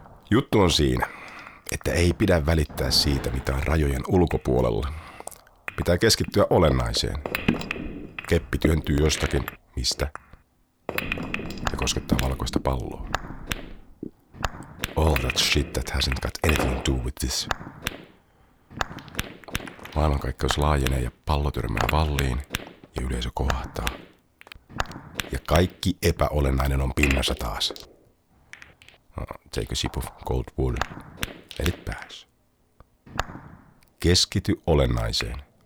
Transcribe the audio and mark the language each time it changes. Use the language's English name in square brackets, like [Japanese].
[Finnish] Juttu on siinä, että ei pidä välittää siitä, mitä on rajojen ulkopuolella. Pitää keskittyä olennaiseen. Keppi työntyy jostakin, mistä? Ja koskettaa valkoista palloa. [English] All that shit that hasn't got anything to do with this. [Finnish] Maailmankaikkeus laajenee ja pallo törmää valliin ja yleisö kohahtaa. Ja kaikki epäolennainen on pinnassa taas. [English] Take a sip of cold water. [Finnish] Eli pääs. Keskity olennaiseen.